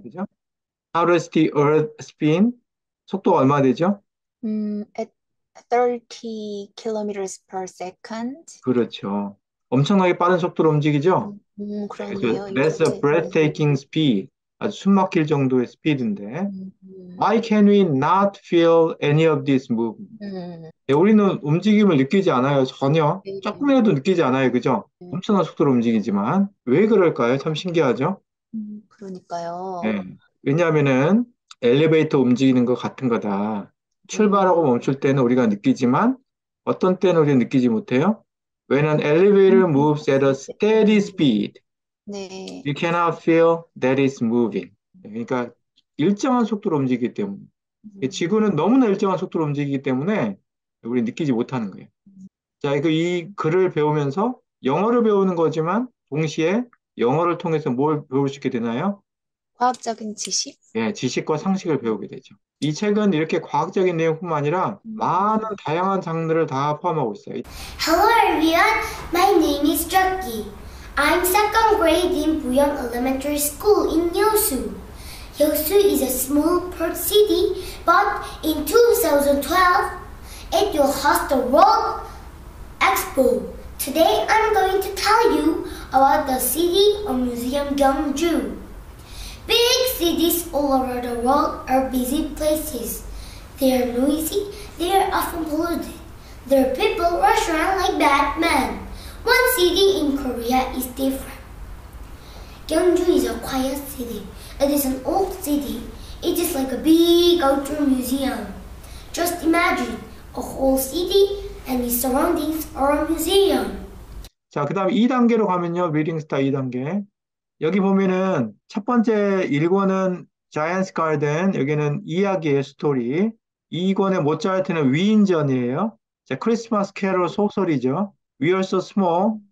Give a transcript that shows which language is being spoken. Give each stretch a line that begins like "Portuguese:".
Korean: 그죠?
English: How does the Earth spin?
Korean: 속도가 얼마나 되죠?
English: At 30 kilometers per second.
Korean: 그렇죠. 엄청나게 빠른 속도로 움직이죠? 그래서 그렇네요.
English: that's a breathtaking speed.
Korean: 아주 숨 막힐 정도의 스피드인데.
English: Why can we not feel any of this movement?
Korean: 네, 우리는 움직임을 느끼지 않아요. 전혀. 조금이라도 느끼지 않아요. 그죠? 엄청난 속도로 움직이지만. 왜 그럴까요? 참 신기하죠? 그러니까요. 네. 왜냐하면은 엘리베이터 움직이는 것 같은 거다. 출발하고 멈출 때는 우리가 느끼지만 어떤 때는 우리는 느끼지 못해요.
English: When an elevator moves at a steady speed, you cannot feel that it's moving.
Korean: 그러니까 일정한 속도로 움직이기 때문에 지구는 너무나 일정한 속도로 움직이기 때문에 우리는 느끼지 못하는 거예요. 자, 이 글을 배우면서 영어를 배우는 거지만 동시에 영어를 통해서 뭘 배울 수 있게 되나요? 과학적인 지식? 예, 지식과 상식을 배우게 되죠. 이 책은 이렇게 과학적인 내용뿐만 아니라 많은 다양한 장르를 다 포함하고 있어요.
English: Hello everyone. My name is Jackie. I'm second grade in Buyeong Elementary School in Yeosu. Yeosu is a small port city, but in 2012, it will host the World Expo. Today, I'm going to tell you about the city or museum Gyeongju. Big cities all over the world are busy places. They are noisy, they are often polluted. Their people rush around like madmen. One city in Korea is different. Gyeongju is a quiet city. It is an old city. It is like a big outdoor museum. Just imagine, a whole city and its surroundings are a museum.
Korean: 자, 그다음 2단계로 가면요. 리딩 스타 2단계. 여기 보면은 첫 번째 1권은 Giant's Garden. 여기는 이야기의 스토리. 2권의 모차르트는 위인전이에요. 자, 크리스마스 캐롤 소설이죠.
English: We are so small.